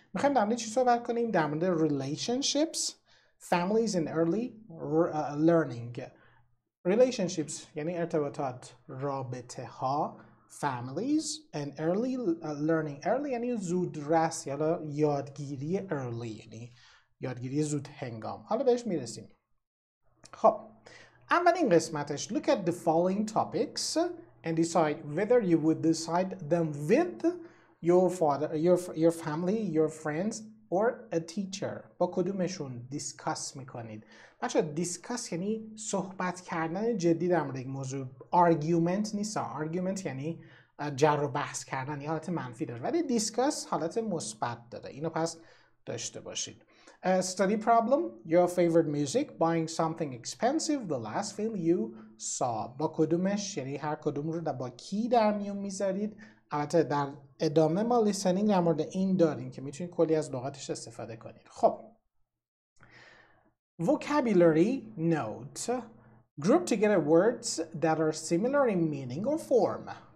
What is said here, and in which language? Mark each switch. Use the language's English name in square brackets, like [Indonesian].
[Persian] میخوایم در مورد چی صحبت کنیم؟ در مورد [English] Relationships, families این early learning. [Persian] ریلیشنشیپس یعنی ارتباطات، رابطه ها، [English] families and early learning. [Persian] early یعنی زودرس، یعنی یادگیری early، یعنی یادگیری زود هنگام. حالا بهش میرسیم. [English] خب اولین قسمتش، look at the following topics and decide whether you would decide them with your father, your family, your friends or a teacher. [Persian] با کدومشون discuss میکنید؟ بچه discuss یعنی صحبت کردن جدی در مورد یک موضوع. argument نیست، argument یعنی جر و بحث کردن، یه حالت منفی داره، ولی discuss حالت مثبت داره. اینو پس داشته باشید. [English] Study problem, your favorite music, buying something expensive, the last film you saw. [Persian] با کدومش، یعنی هر کدوم رو با کی در میون میذارید؟ البته در ادامه ما لیسنینگ در مورد این داریم که میتونید کلی از لغتش استفاده کنید. [English] خب vocabulary note, group together words that are similar in meaning or form.